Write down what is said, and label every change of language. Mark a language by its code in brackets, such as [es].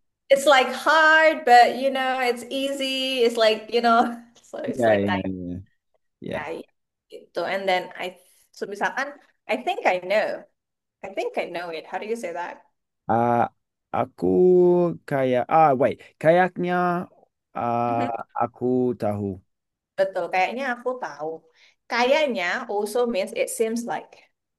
[en] It's like hard, but you know, it's easy. It's like, you know, so it's like kayak. yeah. [id] Kayak. Gitu. [en] And then so misalkan, I think I know. I think I know it. How do you say that? [id] Aku kayak wait, kayaknya aku tahu. Betul, kayaknya aku tahu. [en] Kayaknya also means it seems like.